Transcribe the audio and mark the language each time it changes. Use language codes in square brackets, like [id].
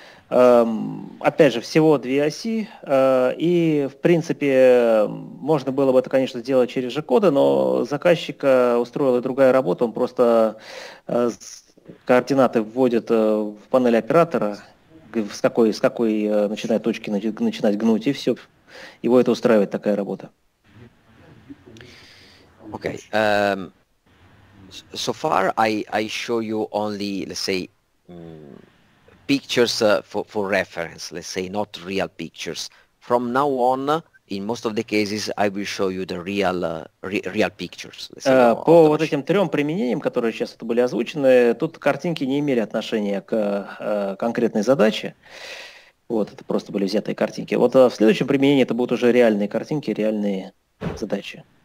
[ru] Опять же, всего две оси, и, в принципе, можно было бы это, конечно, сделать через G-коды, но заказчика устроила другая работа, он просто координаты вводит в панель оператора, с какой начинает точки начинать гнуть, и все, его это устраивает, такая работа. [en] Okay. So far I show you only, let's say, pictures for reference, let's say, not real pictures. From now on, in most of the cases, I will show you the real real pictures. Let's say, [ru] по вот machine. Этим трем применениям, которые сейчас это были озвучены, тут картинки не имели отношения к конкретной задаче. Вот, это просто были взятые картинки. Вот в следующем применении это будут уже реальные картинки, реальные задачи.